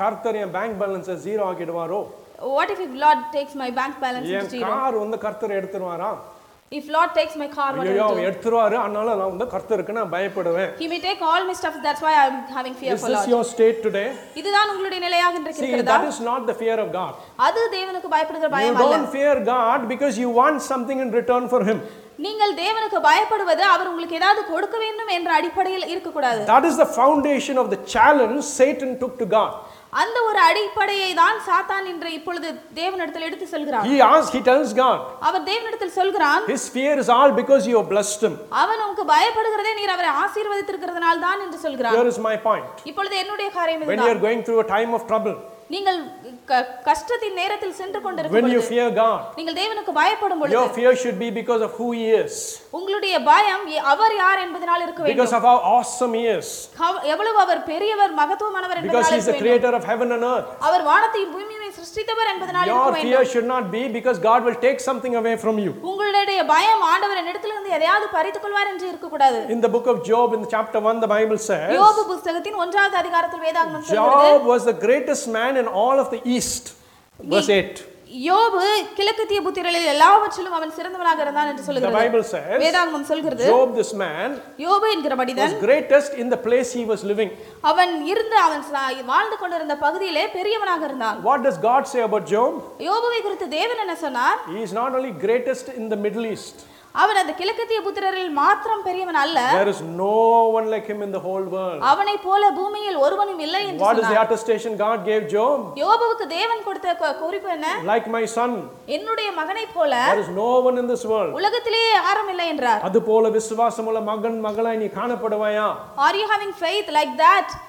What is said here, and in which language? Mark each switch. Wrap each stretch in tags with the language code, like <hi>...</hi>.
<ta>கர்த்தர் என்</ta> <en>bank balance zero</en> <ta>ஆகிடுவாரோ</ta> <en>what if lord takes my bank balance into zero</en> <ta>யார் வந்து கர்த்தர் எடுத்துருவாரா</ta> <en>If Lord takes my car, what will I do?</en> <ta>எடுத்துருவாரு அதனால நான் வந்து கர்த்தருக்கு நான் பயப்படுவேன்.</ta> <en>He may take all my stuff. That's why I'm having fear this for Lord. Is this your state today?</en> <ta>இதுதான் உங்களுடைய நிலையாக இருக்கிறதா?</ta> <en>See, that is not the fear of God.</en> <ta>அது தேவனுக்கு பயப்படுகிற பயம் அல்ல.</ta> <en>You don't fear God because you want something in return for Him.</en> <ta>நீங்கள் தேவனுக்கு பயப்படுவது அவர் உங்களுக்கு ஏதாவது கொடுக்க வேண்டும் என்ற அடிப்படையில் இருக்கக்கூடாது.</ta> <en>That is the foundation of the challenge Satan took to God.</en> <ta>அந்த ஒரு அடிப்படையை தான் சாத்தான் இன்று இப்பொழுது தேவனிடத்தில் எடுத்து செல்கிறான்.</ta> <en>He asks, he tells God.</en> <ta>அவர் தேவனிடத்தில் சொல்கிறான்.</ta> <en>His fear is all because you have blessed him.</en> <ta>அவன் உங்களுக்கு பயப்படுகிறதே நீர் அவரை ஆசீர்வதித்திருக்கிறதனால் தான் என்று சொல்கிறான்.</ta> <en>Here is my point.</en> <ta>இப்பொழுது என்னுடைய காரியம் இதுதான்.</ta> <en>When you are going through a time of trouble.</en> <ta>நீங்கள் கஷ்டத்தின் நேரத்தில் சென்று கொண்டிருக்கும்போது நீங்கள் தேவனுக்கு பயப்படும் பொழுது</ta> <en>your fear should be because of who he is</en> <ta>உங்களுடைய பயம் அவர் யார் என்பதனால் இருக்க வேண்டும்</ta> <en>because of how awesome he is</en> <ta>எவ்வளவு அவர் பெரியவர் மகத்துவமானவர் என்பதனால்</ta> <en>because he is the creator of heaven and earth</en> <ta>அவர் வானத்தையும் பூமியையும் சிருஷ்டித்தவர் என்பதனால் இருக்க வேண்டும்</ta> <en>your fear should not be because god will take something away from you</en> <ta>உங்களுடைய பயம் ஆண்டவர் என்னிடத்திலிருந்து எதையாவது பறித்துக் கொள்வார் என்று இருக்க கூடாது</ta> <en>in the book of job in the chapter 1 the bible says</en> <ta>யோபு புத்தகத்தின் 1வது அதிகாரத்தில் வேதாகமம் சொல்கிறது</ta> <en>job was the greatest man in all of the east verse 8</en> <ta>யோபு கிழக்குத்திய புத்திரர்களில் எல்லாவற்றிலும் அவன் சிறந்தவனாக இருந்தான் என்று சொல்கிறது</ta> <en>the bible says</en> <ta>வேதாகமம் சொல்கிறது</ta> <en>job this man</en> <ta>யோபு என்கிற மனிதன்</ta> <en>was greatest in the place he was living</en> <ta>அவன் இருந்த அவன் வாழ்ந்து கொண்டிருந்த பகுதியிலே பெரியவனாக இருந்தான்</ta> <en>what does god say about job</en> <ta>யோபுவை குறித்து தேவன் என்ன சொன்னார்</ta> <en>he is not only greatest in the middle east</en> <ta>அவன் அந்த கிழக்கத்திய புத்திரரில் மாத்திரம் பெரியவன் அல்ல</ta> <en>there is no one like him in the whole world</en> <ta>அவனை போல பூமியில் ஒருவனும் இல்லை என்று சொன்னார்</ta> <en>what is the attestation god gave job</en> <ta>யோபுவுக்கு தேவன் கொடுத்த குறிப்பு என்ன</ta> <en>like my son</en> <ta>என்னுடைய மகனை போல</ta> <en>there is no one in this world</en> <ta>உலகத்திலே யாரும் இல்லை என்றார் அது போல விசுவாசமுள்ள மகன் மகளாய் நீ காணப்படுவாயா</ta> <en>are you having faith like that</en>